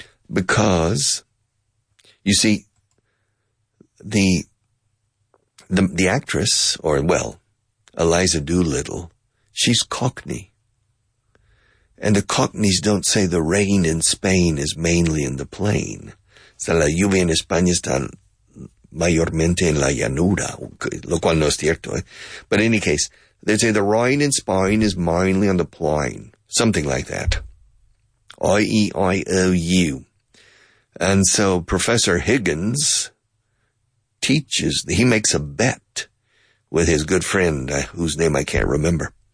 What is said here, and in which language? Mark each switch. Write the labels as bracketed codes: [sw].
[en] Because, you see, the actress, or, well, Eliza Doolittle, she's Cockney. And the Cockneys don't say the rain in Spain is mainly in the plain. [es] So la lluvia en España está mayormente en la llanura, lo cual no es cierto. Eh? [en] But in any case, they'd say the rain in Spain is mainly on the plain. Something like that. I-E-I-O-U. And so Professor Higgins teaches, he makes a bet with his good friend, whose name I can't remember.